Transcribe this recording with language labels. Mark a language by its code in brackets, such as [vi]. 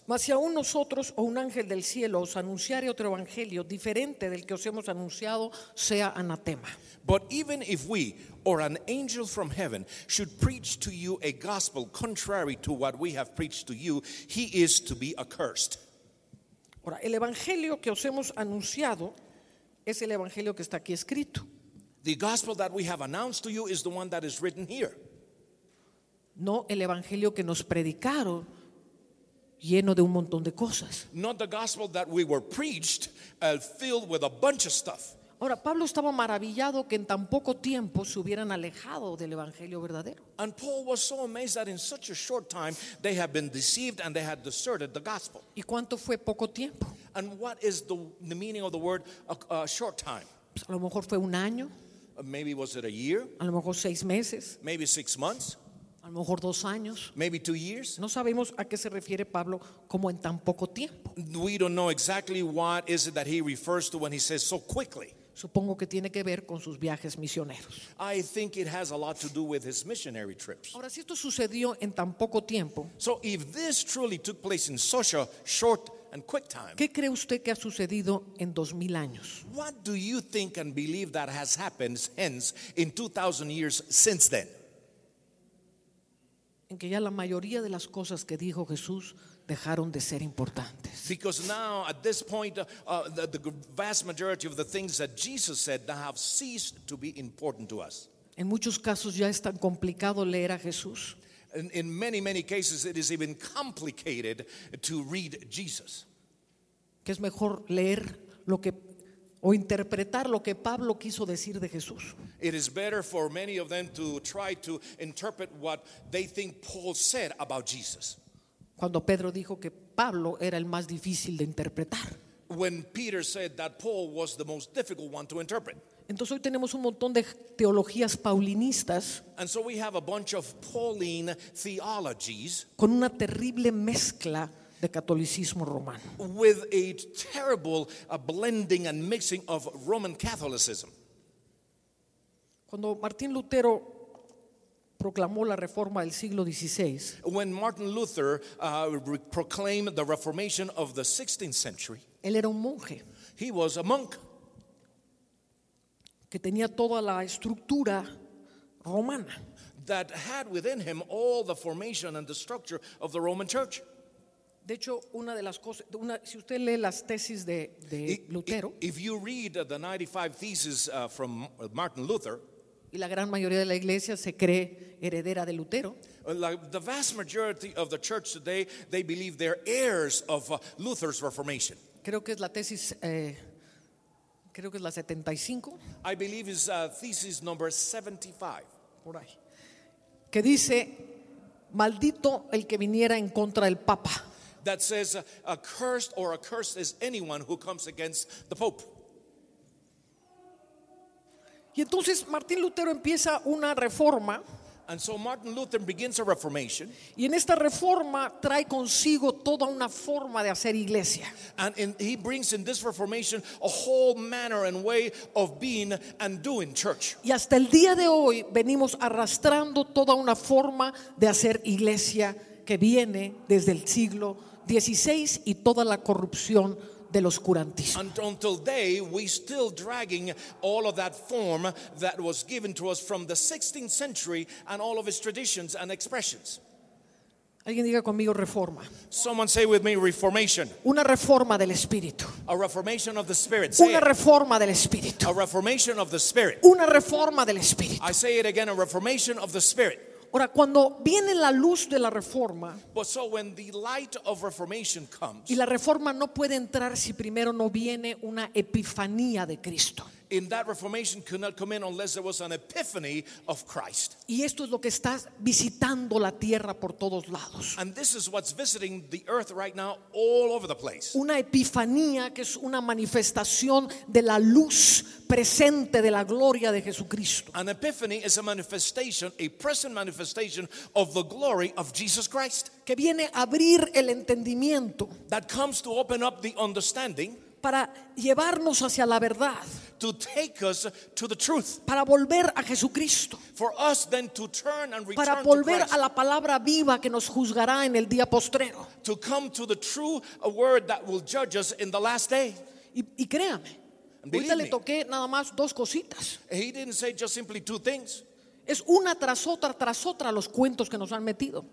[es] Mas si aún nosotros o un ángel del cielo os anunciare otro evangelio diferente del que os hemos anunciado, sea anatema. [en] But even if we or an angel from heaven should preach to you a gospel contrary to what we have preached to you, he is to be accursed. [es] Ahora, el evangelio que os hemos anunciado es el evangelio que está aquí escrito. [en] The gospel that we have announced to you is the one that is written here. [es] No el evangelio que nos predicaron lleno de un montón de cosas. [en] Not the gospel that we were preached filled with a bunch of stuff. [es] Ahora, Pablo estaba maravillado que en tan poco tiempo se hubieran alejado del evangelio verdadero. [en] And Paul was so amazed that in such a short time they had been deceived and they had deserted the gospel. [es] ¿Y cuánto fue poco tiempo? [en] And what is the meaning of the word a short time? [es] Pues a lo mejor fue un año. [en] Maybe was it a year? [es] A lo mejor 6 meses. [en] Maybe 6 months. [es] A lo mejor 2 años. [en] Maybe 2 years. [es] No sabemos a qué se refiere Pablo como en tan poco tiempo. [en] We don't know exactly what is it that he refers to when he says so quickly. [es] Supongo que tiene que ver con sus viajes misioneros. [en] I think it has a lot to do with his missionary trips. [es] Ahora, si esto sucedió en tan poco tiempo, [en] so if this truly took place in such a short and quick time, [es] ¿qué cree usted que ha sucedido en 2000 años? [en] What do you think and believe that has happened hence in 2000 years since then? [es] En que ya la mayoría de las cosas que dijo Jesús dejaron de ser importantes. [en] Because now at this point the vast majority of the things that Jesus said that have ceased to be important to us. [es] En muchos casos ya es tan complicado leer a Jesús. [en] In many, many cases it is even complicated to read Jesus. [es] Que es mejor leer lo que o interpretar lo que Pablo quiso decir de Jesús. [en] It is better for many of them to try to interpret what they think Paul said about Jesus. [es] Cuando Pedro dijo que Pablo era el más difícil de interpretar. [en] When Peter said that Paul was the most difficult one to interpret. [es] Entonces hoy tenemos un montón de teologías paulinistas. [en] And so we have a bunch of Pauline theologies. [es] Con una terrible mezcla de catolicismo romano. [en] With a terrible blending and mixing of Roman Catholicism. [es] Cuando Martín Lutero proclamó la reforma del siglo XVI, [en] when Martin Luther proclaimed the reformation of the 16th century, [es] él era un monje. [en] He was a monk. [es] Que tenía toda la estructura romana. [en] That had within him all the formation and the structure of the Roman Church. [es] De hecho, una de las cosas, si usted lee las tesis de Lutero, [en] if you read the 95 theses from Martin Luther, [es] y la gran mayoría de la iglesia se cree heredera de Lutero, [en] the vast majority of the church today, they believe they're heirs of Luther's reformation. [es] Creo que es la tesis, creo que es la 75. [en] I believe it's thesis number 75. [es] Por ahí. Que dice, maldito el que viniera en contra del Papa. [en] That says accursed or accursed is anyone who comes against the Pope. [es] Y entonces Martín Lutero empieza una reforma. [en] And so Martin Luther begins a reformation. [es] Y en esta reforma trae consigo toda una forma de hacer iglesia. [en] And he brings in this reformation a whole manner and way of being and doing church. [es] Y hasta el día de hoy venimos arrastrando toda una forma de hacer iglesia que viene desde el siglo 16 y toda la corrupción del oscurantismo. [en] And until today, we're still dragging all of that form that was given to us from the 16th century and all of its traditions and expressions. [es] Alguien diga conmigo reforma. [en] Someone say with me reformation. [es] Una reforma del espíritu. [en] A reformation of the spirit. [es] Una reforma del espíritu. [en] A reformation of the spirit. [es] Una reforma del espíritu. [en] I say it again, a reformation of the spirit. [es] Ahora, cuando viene la luz de la reforma, [en] but so when the light of reformation comes, [es] y la reforma no puede entrar si primero no viene una epifanía de Cristo. [en] In that reformation could not come in unless there was an epiphany of Christ. [es] Y esto es lo que está visitando la tierra por todos lados. [en] And this is what's visiting the earth right now all over the place. [es] Una epifanía que es una manifestación de la luz presente de la gloria de Jesucristo. [en] An epiphany is a manifestation, a present manifestation of the glory of Jesus Christ. [es] Que viene a abrir el entendimiento. [en] That comes to open up the understanding. [es] Para llevarnos hacia la verdad. [en] To take us to the truth. [es] Para volver a Jesucristo. [en] For us then to turn and return. [es] Para volver a la palabra viva que nos juzgará en el día postrero. [en] To come to the true word that will judge us in the last day. [es] Y créame, ahorita le toqué nada más dos cositas. [en] He didn't say just simply two things. [es] Es una tras otra los cuentos que nos han metido.